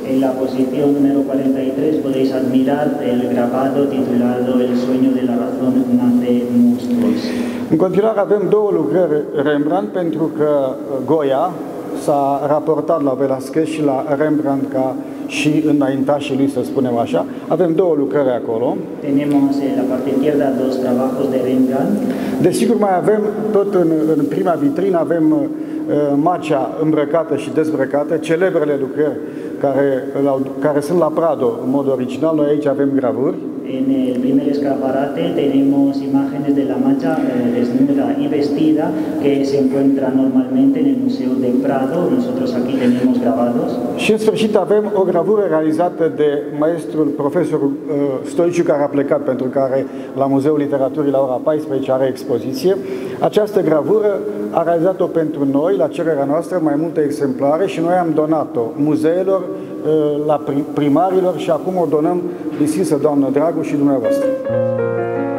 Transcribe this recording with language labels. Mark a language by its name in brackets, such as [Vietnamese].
[Romanian] În la poziție numărul 43, puteți admira [Spanish] el grabado [Romanian] titulat El sueño de la razón nace monstruos. În continuare avem două lucrări Rembrandt, pentru că Goya s-a raportat la Velázquez și la Rembrandt ca și înaintașii lui, să spunem așa. Avem două lucrări acolo. [Spanish] Tenemos en la parte izquierda dos trabajos de Rembrandt. [Romanian] Desigur, mai avem tot în prima vitrină, avem Macea îmbrăcată și dezbrăcată, celebrele lucrări care sunt la Prado în mod original. Noi aici avem gravuri. [Spanish] En el primer escaparate tenemos imágenes de la Macha desnuda y vestida que se encuentra normalmente en el Museo del Prado. Nosotros aquí tenemos grabados. [Romanian] Și în sfârșit avem o gravură realizată de maestrul profesor Stoiciu, care a plecat, pentru care la Muzeul Literaturii la ora 14 are expoziție. Această gravură a realizat-o pentru noi, la cererea noastră, mai multe exemplare și noi am donat-o muzeelor, la primarilor și acum o donăm, disinsă doamnă Dragu și dumneavoastră.